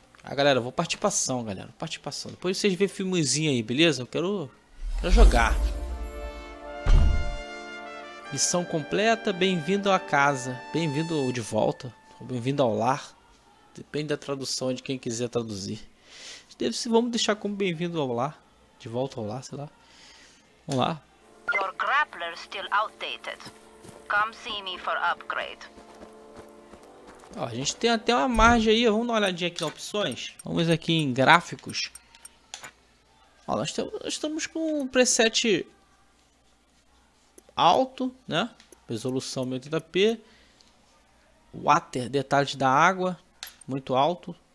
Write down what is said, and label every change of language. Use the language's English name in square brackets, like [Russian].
[Portuguese] Ah, galera, vou partir pra ação, galera. Partir pra ação. Depois vocês veem filmezinho aí, beleza? Eu quero jogar. Missão completa. Bem-vindo à casa. Bem-vindo de volta. Bem-vindo ao lar. Depende da tradução de quem quiser traduzir. Vamos deixar como bem-vindo ao lar. De volta ao lar, sei lá. Vamos lá. [English] Your grappler still outdated. Come see me for upgrade. [Portuguese] Ó, a gente tem até uma margem aí. Vamos dar uma olhadinha aqui em opções. Vamos aqui em gráficos. Ó, nós estamos com um preset alto, né? Resolução 1080p. Water, detalhes da água. Muito alto.